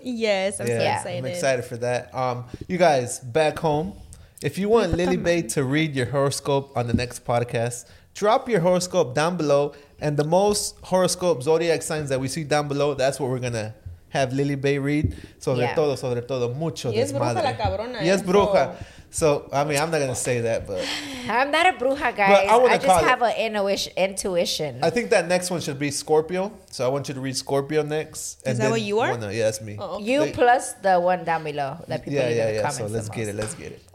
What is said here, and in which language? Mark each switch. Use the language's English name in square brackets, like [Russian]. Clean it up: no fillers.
[English] Yes, I'm so excited. I'm excited for that. You guys, back home, if you want Lily Bay to read your horoscope on the next podcast, drop your horoscope down below. And the most horoscope zodiac signs that we see down below, that's what we're going to have Lily Bay read. [Spanish] Sobre todo, mucho y desmadre. Y es bruja la cabrona. Y es bruja. [English] So, I mean, I'm not going to say that, but... I'm not a bruja, guys. But I just have an intuition. I think that next one should be Scorpio. So I want you to read Scorpio next. And is that what you are? Yeah, that's me. Oh, okay. You plus the one down below that people leave in the comments. So let's get it.